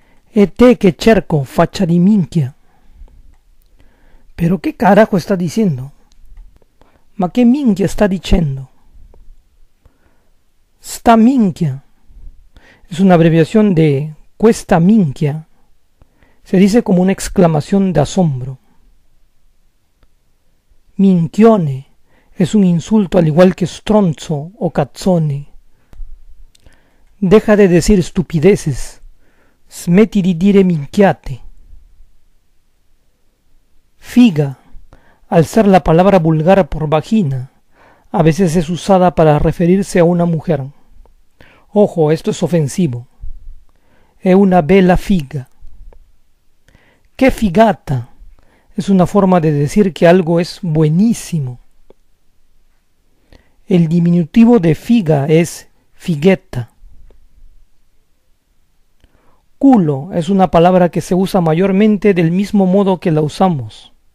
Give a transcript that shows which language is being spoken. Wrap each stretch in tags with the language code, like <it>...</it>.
<it>E te che cerco, faccia di minchia.</it> <es>Pero ¿qué carajo está diciendo?</es> <it>¿Ma qué minchia está diciendo?</it> <es>Sta minchia. Es una abreviación de questa minchia. Se dice como una exclamación de asombro. Minchione es un insulto al igual que stronzo o cazzone. Deja de decir estupideces.</es> <it>Smetti di dire minchiate.</it> <es>Figa, al ser la palabra vulgar por vagina, a veces es usada para referirse a una mujer. Ojo, esto es ofensivo.</es> <it>È una bella figa.</it> <es>Kefigata es una forma de decir que algo es buenísimo. El diminutivo de figa es figueta. Culo es una palabra que se usa mayormente del mismo modo que la usamos.</es>